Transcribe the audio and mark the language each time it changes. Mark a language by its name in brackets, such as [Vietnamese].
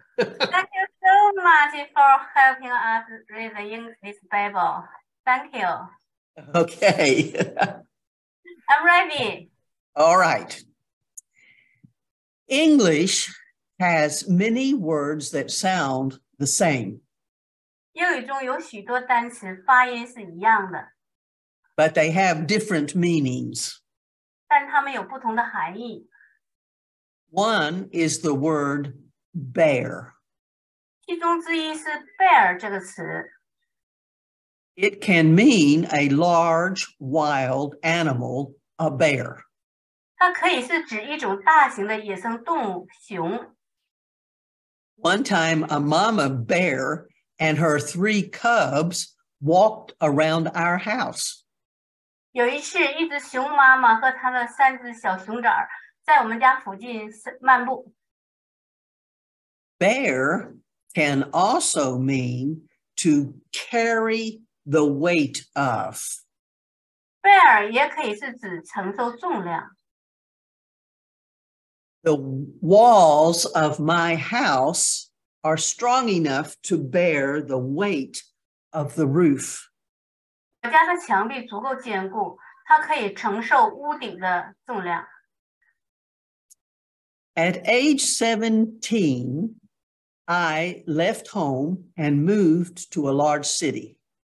[English] Thank you so much for helping us read this Bible. Thank you. Okay. I'm ready. All right. English has many words that sound the same. [Chinese] 英语中有许多单词发音是一样的。 [English] But they have different meanings. [Chinese] 但它们有不同的含义。 [English] One is the word bear. [Chinese] 其中之一是 bear 这个词。 [English] It can mean a large wild animal, a bear. [Chinese] 它可以是指一种大型的野生动物熊。 [English] One time a mama bear and her three cubs walked around our house. [Chinese] 有一次，一只熊妈妈和她的三只小熊崽儿在我们家附近漫步。 [English] Bear can also mean to carry the weight of. [Chinese] Bear 也可以是指承受重量。 [English] The walls of my house are strong enough to bear the weight of the roof. [Chinese] 我家的墙壁足够坚固，它可以承受屋顶的重量。 [English] At age 17, I left home and moved to a large city.